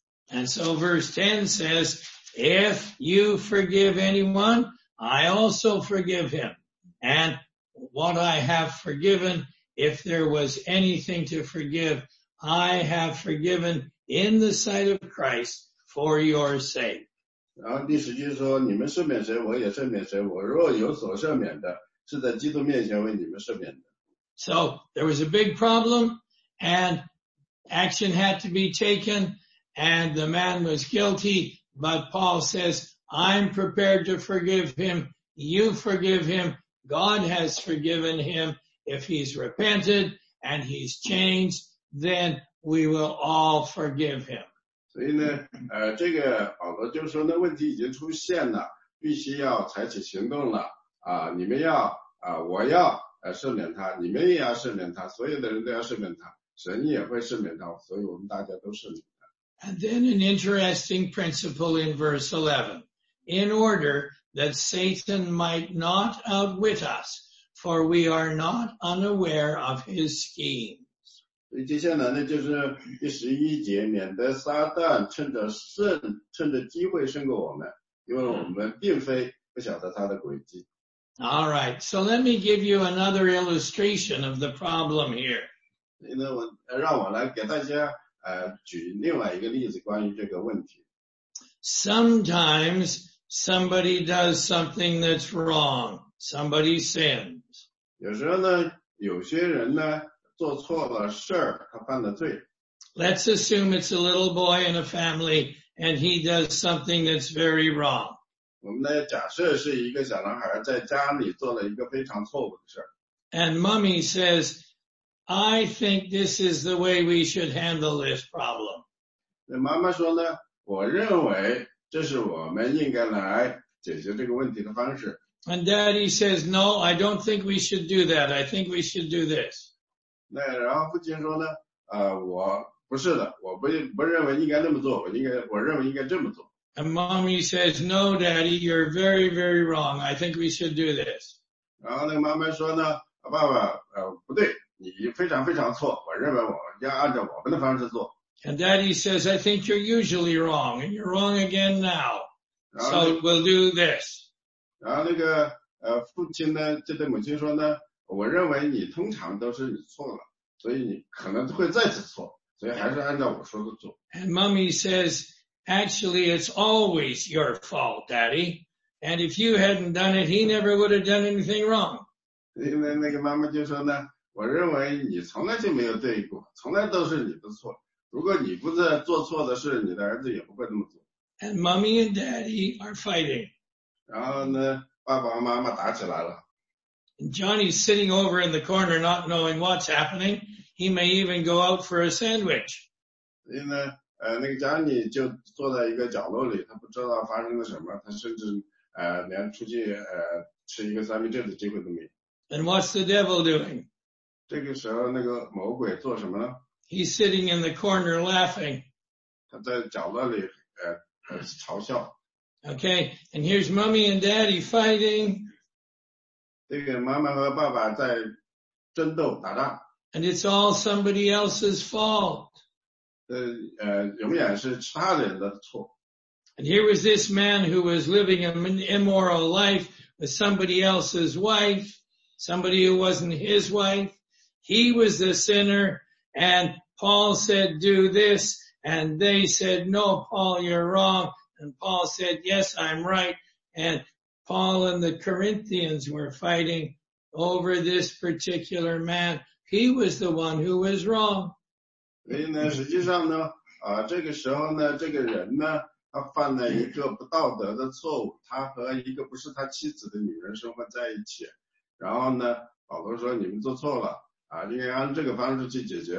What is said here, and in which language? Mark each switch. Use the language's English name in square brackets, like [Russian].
[English] And so verse 10 says, if you forgive anyone, I also forgive him. And what I have forgiven, if there was anything to forgive, I have forgiven in the sight of Christ for your sake. [Chinese] 然后第十句说，你们赦免谁，我也赦免谁。我若有所赦免的，是在基督面前为你们赦免的。 [English] So there was a big problem, and action had to be taken, and the man was guilty. But Paul says, I'm prepared to forgive him. You forgive him. God has forgiven him. If he's repented and he's changed, then we will all forgive him. [Chinese] 所以呢，这个保罗就说，那问题已经出现了，必须要采取行动了啊！你们要啊，我要赦免他，你们也要赦免他，所有的人都要赦免他，神也会赦免他，所以我们大家都赦免他。 [English] And then an interesting principle in verse 11, in order that Satan might not outwit us, for we are not unaware of his scheme. [Chinese] 接下来呢就是第十一节，免得撒旦趁着机会胜过我们，因为我们并非不晓得他的诡计。 [English] All right, so let me give you another illustration of the problem here. [Chinese] 那我让我来给大家举另外一个例子关于这个问题。 [English] Sometimes somebody does something that's wrong. Somebody sins. [Chinese] 有时候呢，有些人呢做错了事儿，他犯了罪。 [English] Let's assume it's a little boy in a family and he does something that's very wrong. [Chinese] 我们来假设是一个小男孩在家里做了一个非常错误的事儿。 [English] And mommy says, I think this is the way we should handle this problem. [Chinese] 那妈妈说呢，我认为这是我们应该来解决这个问题的方式。 [English] And daddy says, no, I don't think we should do that. I think we should do this. [Chinese] 那然后父亲说呢，我不是的，我不认为应该那么做，我认为应该这么做。 [English] And mommy says, no, daddy, you're very, very wrong. I think we should do this. [Chinese] 然后那个妈妈说呢，爸爸，不对，你非常非常错，我认为我要按照我们的方式做。 [English] And daddy says, I think you're usually wrong, and you're wrong again now. So we'll do this. [Chinese] 然后那个父亲呢，就对母亲说呢，我认为你通常都是你错了，所以你可能会再次错，所以还是按照我说的做。 [English] And mommy says, actually, it's always your fault, daddy. And if you hadn't done it, he never would have done anything wrong. [Chinese] 因为那个妈妈就说呢，我认为你从来就没有对过，从来都是你的错。如果你不再做错的事，你的儿子也不会那么做。 [English] And mommy and daddy are fighting. [Chinese] 然后呢，爸爸妈妈打起来了。 [English] And Johnny's sitting over in the corner not knowing what's happening. He may even go out for a sandwich. [Chinese] 所以呢，那个 Johnny 就坐在一个角落里，他不知道发生了什么，他甚至连出去吃一个三明治的机会都没有。 [English] And what's the devil doing? [Chinese] 这个时候那个魔鬼做什么呢？ [English] He's sitting in the corner laughing. [Chinese] 他在角落里嘲笑。 [English] Okay, and here's mommy and daddy fighting. [Chinese] 这个妈妈和爸爸在争斗打仗。 [English] And it's all somebody else's fault. [Chinese] 永远是其他人的错。 [English] And here was this man who was living an immoral life with somebody else's wife, somebody who wasn't his wife. He was the sinner, and Paul said, do this, and they said, no, Paul, you're wrong. And Paul said, yes, I'm right. AndPaul and the Corinthians were fighting over this particular man. He was the one who was wrong. [Chinese] 所以呢，实际上呢，这个时候呢，这个人呢，他犯了一个不道德的错误。他和一个不是他妻子的女人生活在一起。然后呢，保罗说你们做错了，应该按这个方式去解决。